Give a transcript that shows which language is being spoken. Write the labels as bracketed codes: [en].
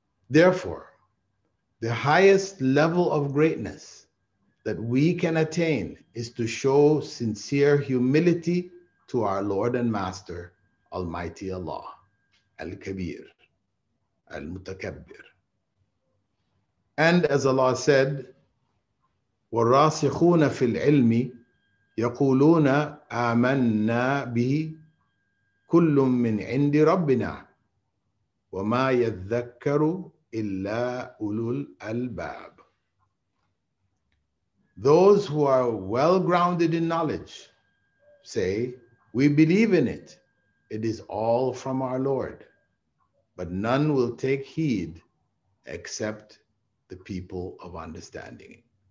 [en] Therefore, the highest level of greatness that we can attain is to show sincere humility to our Lord and Master, Almighty Allah, Al-Kabir, Al-Mutakabbir. And as Allah said, [ar] وَالرَّاسِخُونَ فِي الْعِلْمِ يقولون آمنا به كل من عند ربنا وما يذكر إلا أولو الألباب. [en] Those who are well grounded in knowledge say, we believe in it. It is all from our Lord. But none will take heed except the people of understanding.